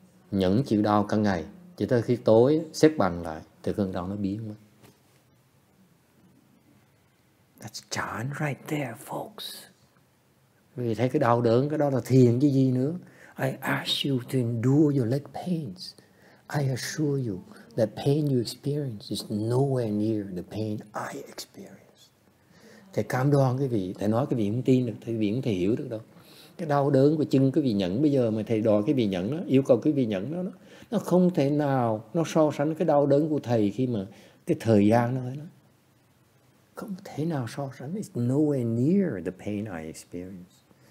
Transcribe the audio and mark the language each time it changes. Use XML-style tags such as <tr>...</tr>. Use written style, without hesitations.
<vi>Nhẫn chịu đau cả ngày. Chỉ tới khi tối xếp bằng lại. Thì cơn đau nó biến mất.</vi> <en>That's chan right there, folks.</en> <vi>Vì thấy cái đau đớn. Cái đó là thiền chứ gì nữa.</vi> <en>I ask you to endure your leg pains. I assure you, that pain you experience is nowhere near the pain I experienced.</en> <vi>Thầy cam đoan quý vị, thầy nói quý vị không tin được, quý vị không thể hiểu được đâu. Cái đau đớn của chân quý vị nhận bây giờ mà thầy đòi quý vị nhận đó, yêu cầu quý vị nhận đó, nó không thể nào nó so sánh cái đau đớn của thầy khi mà cái thời gian nó ấy đó. Không thể nào so sánh.</vi> <en>It's nowhere near the pain I experienced.</en>